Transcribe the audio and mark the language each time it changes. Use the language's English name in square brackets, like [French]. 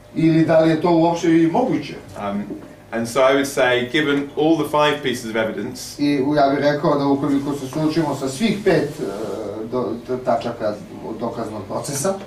[Serbian] Ili da li je to uopšte i moguće? [English] And so I would say, given all the five pieces of evidence, [Serbian] i ja bih rekao da ukoliko se suočimo sa svih pet tačaka dokaznog procesa,